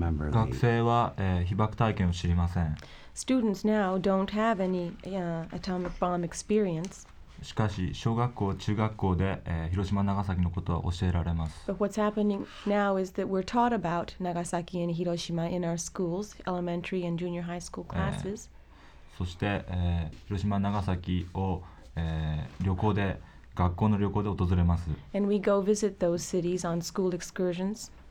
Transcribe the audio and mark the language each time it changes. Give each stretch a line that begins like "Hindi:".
Japanese: 学生は、被爆体験を知りません。
English: Students now don't have any, atomic bomb experience.
Japanese: しかし、小学校、中学校で、広島、長崎のことは教えられます。
English: But what's happening now is that we're taught about Nagasaki and Hiroshima in our schools, elementary and junior high school classes.
Japanese: そして、広島、長崎を、旅行で、学校の旅行で訪れます。
English: And we go visit those cities on school excursions.